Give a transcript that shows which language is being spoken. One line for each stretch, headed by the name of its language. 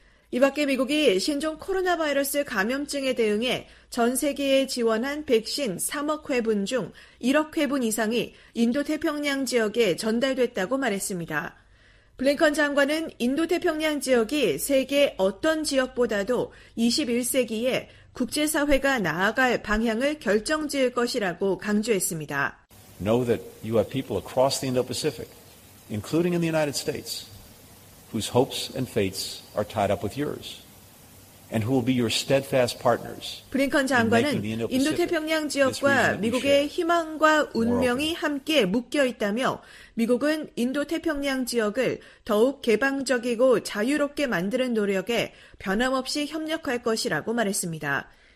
Korean: 이 밖에 미국이 신종 코로나 바이러스 감염증에 대응해 전 세계에 지원한 백신 3억 회분 중 1억 회분 이상이 인도태평양 지역에 전달됐다고 말했습니다. 블링컨 장관은 인도태평양 지역이 세계 어떤 지역보다도 21세기에 국제사회가 나아갈 방향을 결정지을 것이라고 강조했습니다.
English: Know that you have people across the Indo-Pacific, including in the United States, whose hopes and fates are tied up with yours. and who will be your steadfast partners.
Korean: 블링컨 장관은 인도태평양 지역과 미국의 희망과 운명이 함께 묶여 있다며 미국은 인도태평양 지역을 더욱 개방적이고 자유롭게 만드는 노력에 변함없이 협력할 것이라고 말했습니다.